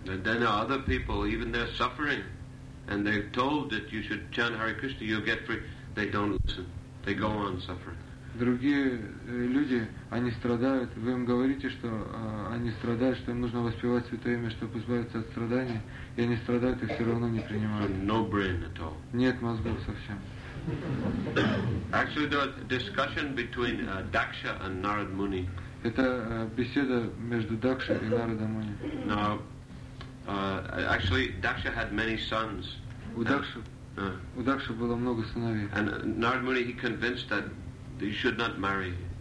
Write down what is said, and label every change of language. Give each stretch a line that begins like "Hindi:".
English: And then other people, even they're suffering, and they're told that you should chant Hare Krishna, you'll get free. They don't listen. They go on suffering.
Russian: Другие люди, они страдают. Вы им говорите, что они страдают, что им нужно воспевать Святое Имя, чтобы избавиться от страданий, и они страдают, их все равно не принимают.
English: No brain at all.
Russian: Нет мозгов совсем.
English: Actually, there was a discussion between Daksha and Narad Muni.
Russian: Это беседа между Дакшей и Нарадом Муни.
English: Now, actually, Daksha had many sons.
Russian: У Дакши было много сыновей.
English: And Narad Muni, he convinced that you should not marry.